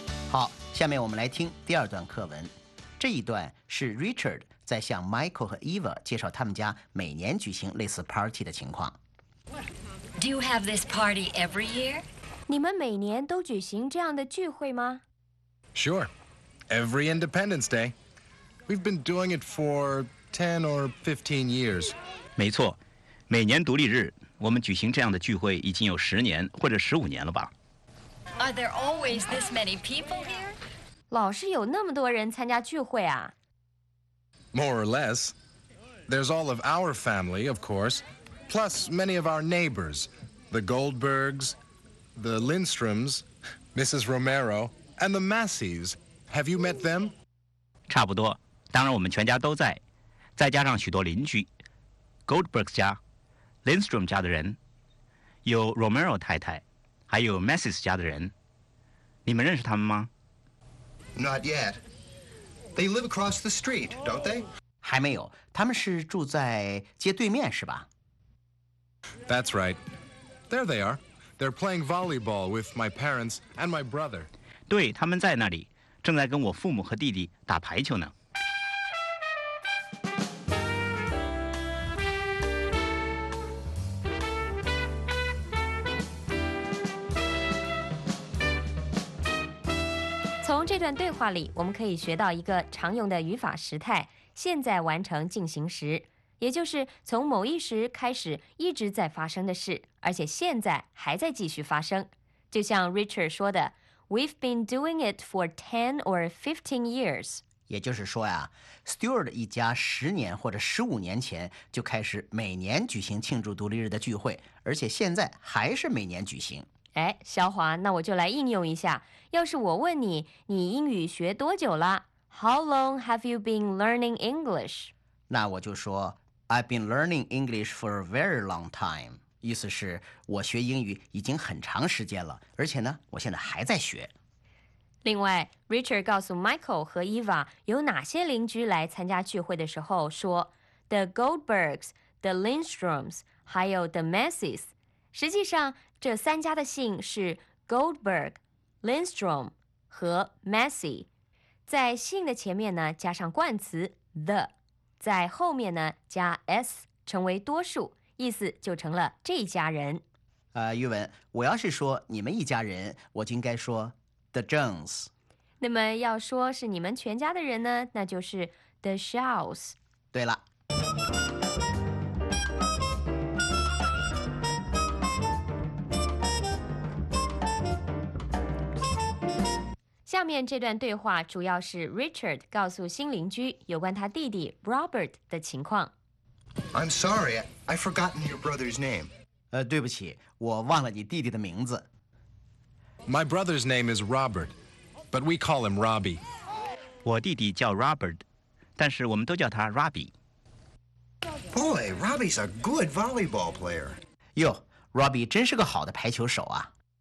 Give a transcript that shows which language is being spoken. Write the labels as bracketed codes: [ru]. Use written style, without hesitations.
[zh] 好，下面我们来听第二段课文。这一段是 Richard 在向 Michael 和 Eva 介绍他们家每年举行类似 party 的情况。 [en] Do you have this party every year? [zh] 你们每年都举行这样的聚会吗？ [en] Sure. Every Independence Day. We've been doing it for 10 or 15 years. [zh] 没错，每年独立日，我们举行这样的聚会已经有10年或者15年了吧。 [en] Are there always this many people here? [zh] 老是有那么多人参加聚会啊。 [en] More or less. There's all of our family, of course, plus many of our neighbors, the Goldbergs, the Lindstroms, Mrs. Romero, and the Massies. Have you met them? [zh] 差不多，当然我们全家都在，再加上许多邻居 ，Goldbergs 家 ，Lindstrom 家的人，有 Romero 太太，还有 Massies 家的人，你们认识他们吗？ [en] Not yet. They live across the street, don't they? [zh] 还没有，他们是住在街对面，是吧 [en] ？That's right. There they are. They're playing volleyball with my parents and my brother. [zh] 对，他们在那里，正在跟我父母和弟弟打排球呢。从这段对话里，我们可以学到一个常用的语法时态，现在完成进行时，也就是从某一时开始一直在发生的事，而且现在还在继续发生。就像 Richard 说的 [en] We've been doing it for 10 or 15 years. [zh] 也就是说呀 ,Stewart 一家十年或者十五年前就开始每年举行庆祝独立日的聚会，而且现在还是每年举行。哎，小华，那我就来应用一下。要是我问你，你英语学多久了 ？ [en] How long have you been learning English？ [zh] 那我就说 [en] ，I've been learning English for a very long time。 [zh] 意思是我学英语已经很长时间了，而且呢，我现在还在学。另外 Richard 告诉 Michael 和 Eva 有哪些邻居来参加聚会的时候说 The Goldbergs, The Lindstroms, 还有 The Messies。实际上这三家的姓是 Goldberg, Lindstrom 和 Messy， 在姓的前面呢加上冠词 The， 在后面呢加 S 成为多数，意思就成了这一家人。玉文，我要是说你们一家人，我就应该说 [en] The Jones。 [zh] 那么要说是你们全家的人呢，那就是 The Shaws。对了。下面这段对话主要是 Richard 告诉新邻居有关他弟弟 Robert 的情况。 [en] I'm sorry, I've forgotten your brother's name. [zh] 对不起，我忘了你弟弟的名字。 [en] My brother's name is Robert, but we call him Robbie. [zh] 我弟弟叫 Robert, 但是我们都叫他 Robbie. [en] Boy, Robbie's a good volleyball player. [zh] 哟 ，Robbie 真是个好的排球手啊。